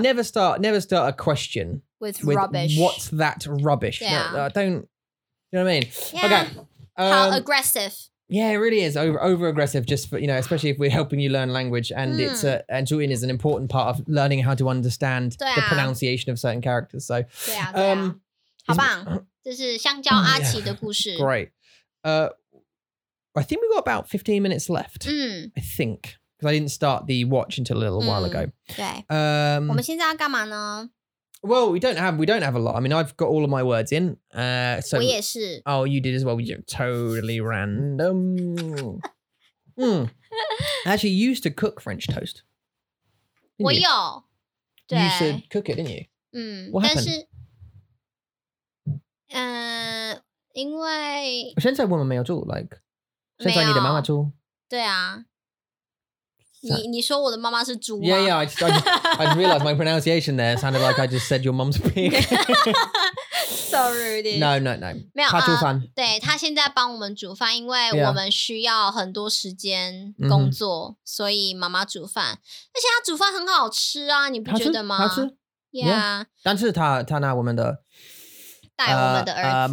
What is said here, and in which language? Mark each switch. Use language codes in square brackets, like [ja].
[en] Never start a question with rubbish. What's that rubbish? Yeah. No, don't, you know what I mean? Yeah. Okay. How aggressive. Yeah, it really is. Over aggressive, just for, you know, especially if we're helping you learn language. And、mm. it's and Julian is an important part of learning how to understand、啊、 the pronunciation of certain characters. So, [zh] 对啊对啊好棒这是香蕉阿奇的故事 [en] Great. I think we've got about 15 minutes left,、 mm. I think. Because I didn't start the watch until a little while ago. [zh] 对。我们现在要干嘛呢? [en] Well, we don't have a lot. I mean, I've got all of my words in. So, [zh] 我也是。 [en] Oh, you did as well. We're totally random. 嗯。 I actually used to cook French toast. [zh] 我有。对。 [en] You used to cook it, didn't you? 嗯。 What happened? [zh] 因为。现在我们没有做, like, 现在你的妈妈做。对啊。你说我的妈妈是猪吗 [en] ？Yeah, yeah. I just realized my pronunciation there sounded like I just said your mum's pig. So rude. No. [zh] 没有他煮饭，对他现在帮我们煮饭，因为我们需要很多时间工作， [en] yeah. [zh] 所以妈妈煮饭。而且他煮饭很好吃啊，你不觉得吗？好吃。 [en] Yeah. [zh] 但是他拿我们的，带我们的儿子